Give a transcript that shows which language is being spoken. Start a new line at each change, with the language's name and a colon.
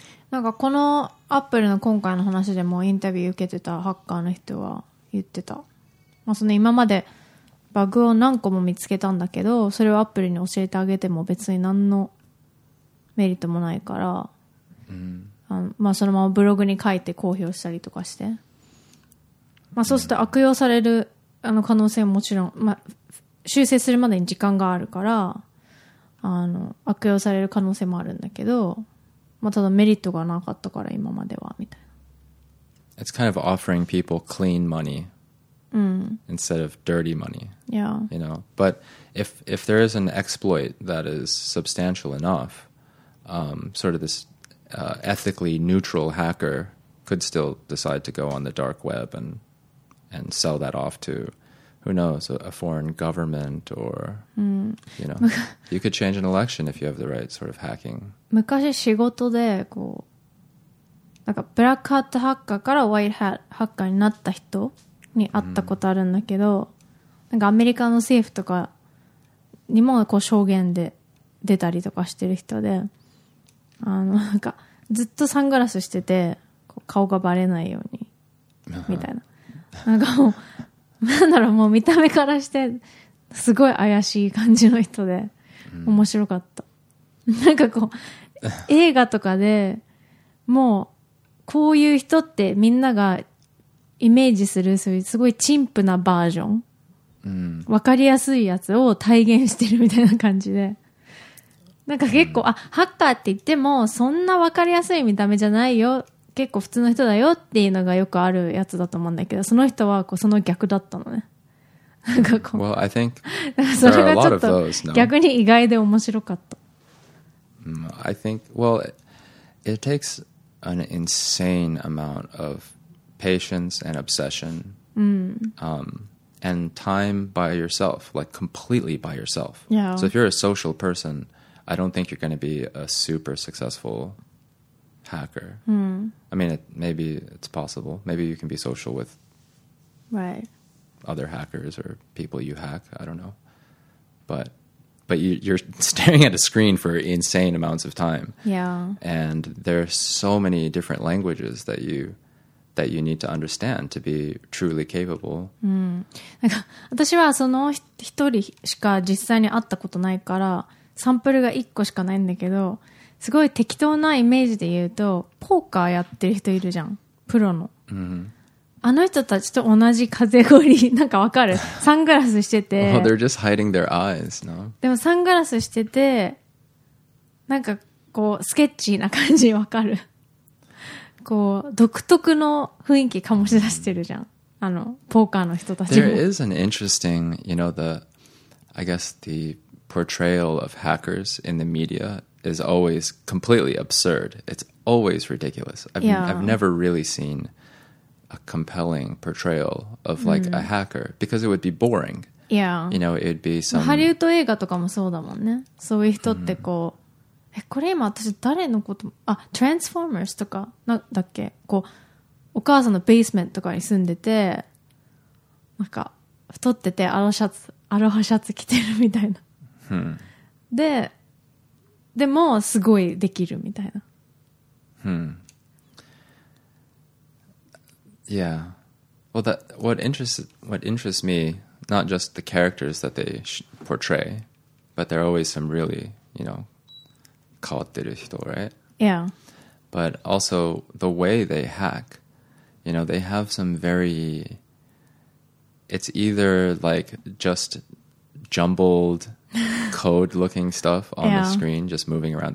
Japanese: なんかこのアップルの今回の話でもインタビュー受けてたハッカーの人は言ってた、まあ、その今までバグを何個も見つけたんだけどそれをアップルに教えてあげても別に何のメリットもないから、まあ、そのままブログに書いて公表したりとかして、まあ、そうすると悪用されるあの可能性ももちろん、まあ、修正するまでに時間があるからあの悪用される可能性もあるんだけど、まあ、ただメリットがなかったから今まではみたいな。
English: It's kind of offering people clean money、instead of dirty money. Yeah. You know, but if there is an exploit that is substantial enough, sort of this ethically neutral hacker could still decide to go on the dark web and sell that off to, who knows, a foreign government or, you know, you could change an election if you have the right sort of hacking.
Japanese: 昔仕事でこうなんかブラックハットハッカーからワイルドハッカーになった人に会ったことあるんだけど、なんかアメリカの政府とかにもこう証言で出たりとかしてる人で、あのなんかずっとサングラスしててこう顔がバレないようにみたいな、なんかもうなんだろう、もう見た目からしてすごい怪しい感じの人で面白かった。なんかこう映画とかでもうこういう人ってみんながイメージするそういうすごい陳腐なバージョン、わかりやすいやつを体現してるみたいな感じで、なんか結構、ハッカーって言ってもそんなわかりやすい見た目じゃないよ、結構普通の人だよっていうのがよくあるやつだと思うんだけど、その人はこうその逆だったのね。なんかこう、
English: well, I think there are a lot of those, no.
Japanese: 逆に意外で面白かった。
English: I think, well, it takes an insane amount of patience and obsession and time by yourself, like completely by yourself. Yeah. So if you're a social person, I don't think you're going to be a super successful hacker. I mean, maybe it's possible. Maybe you can be social with right. other hackers or people you hack. I don't know. But you're staring at a screen for insane amounts of time. Yeah. And there are so many different languages that you need to understand to be truly capable.
Japanese: なんか私はその一人しか実際に会ったことないからサンプルが一個しかないんだけど、すごい適当なイメージで言うとポーカーやってる人いるじゃん、プロの。あの人たちと同じカテゴリー、なんかわかる？サングラスしてて、
English: well, they're just hiding their eyes, no?
Japanese: でもサングラスしててなんかこうスケッチーな感じわかる？こう独特の雰囲気醸し出してるじゃん、あのポーカーの人たちも。
English: There is an interesting, you know, I guess the portrayal of hackers in the media is always completely absurd. It's always ridiculous. I've never really seen a compelling portrayal of like a hacker because it would be boring. Yeah. You know, it'd be some...
Japanese: ハリウッド映画とかもそうだもんね。そういう人ってこう、え、これ今私誰のこと、あ、Transformers とかなんだっけ、こう、お母さんのベースメントとかに住んでて、なんか太っててアロハシャツ着てるみたいな。でもすごいできるみたいな。
English: Yeah. Well, that what interests me, not just the characters that they portray, but there are always some really, you know,
Japanese: 変わってる人,
English: right? Yeah. But also the way they hack, you know, they have some very, it's either like just jumbled code looking stuff on the screen, just moving around.